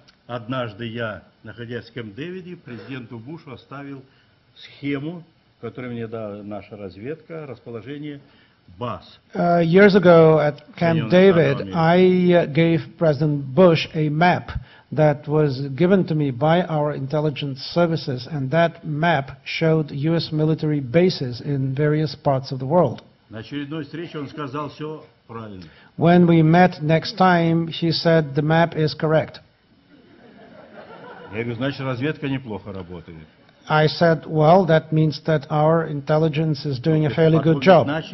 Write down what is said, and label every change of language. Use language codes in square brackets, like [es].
[ru] Однажды я, находясь в Кэмп-Дэвиде, президенту Бушу оставил схему, которую мне дала наша разведка, расположение баз. [en] Years ago at Camp David, I gave President Bush a map that was given to me by our intelligence services, and that map showed U.S. military bases in various parts of the world. [ru] На очередной встрече он сказал все правильно. [en] When we met next time, he said the map is correct. [ru] Я говорю, значит, разведка неплохо работает. [en] I said, well, that means that our intelligence is doing a fairly good job.